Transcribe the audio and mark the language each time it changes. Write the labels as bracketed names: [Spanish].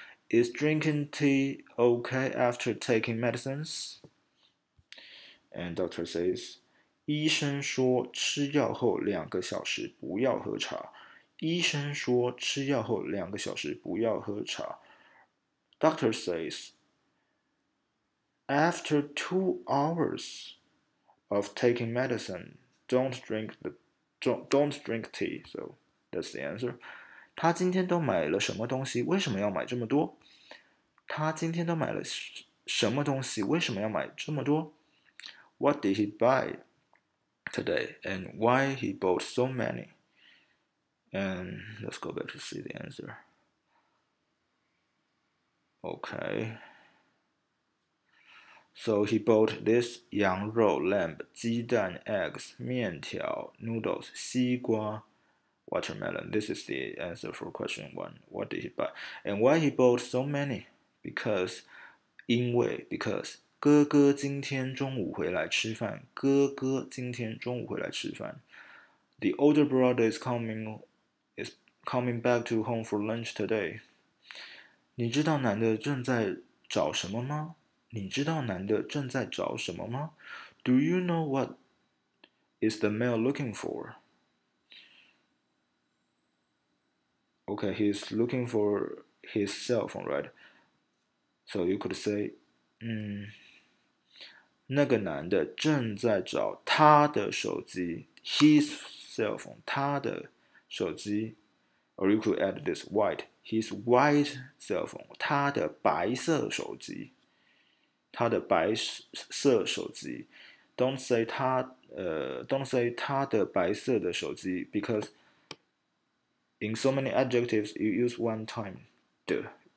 [English] Is drinking tea okay after taking medicines? And doctor says, [Chinese] 医生说吃药后两个小时不要喝茶。医生说吃药后两个小时不要喝茶。 [English] Doctor says, after 2 hours of taking medicine, don't drink tea. So that's the answer. [Chinese] 他今天都买了什么东西？为什么要买这么多？他今天都买了什么东西？为什么要买这么多？ [English] What did he buy today, and why he bought so many? And let's go back to see the answer. Okay. So he bought this [Chinese] 羊肉 lamb, 鸡蛋 eggs, 面条 noodles, 西瓜 [English] watermelon. This is the answer for question one. What did he buy? And why he bought so many? Because, 因为 because. [Chinese] 哥哥今天中午回来吃饭。哥哥今天中午回来吃饭。 [English] The older brother is coming back to home for lunch today. [Chinese] 你知道男的正在找什么吗？你知道男的正在找什么吗 [English] ？Do you know what is the male looking for? Okay, he's looking for his cell phone, right? So you could say, [Chinese] 那个男的正在找他的手机。 [English] his cell phone, [Chinese] 他的手机。 [English] Or you could add this white, his white cell phone, [Chinese] 他的白色手机。他的白色手机。 [English] Don't say [Chinese] 他的白色的手机 [English] because in so many adjectives, you use one time 的。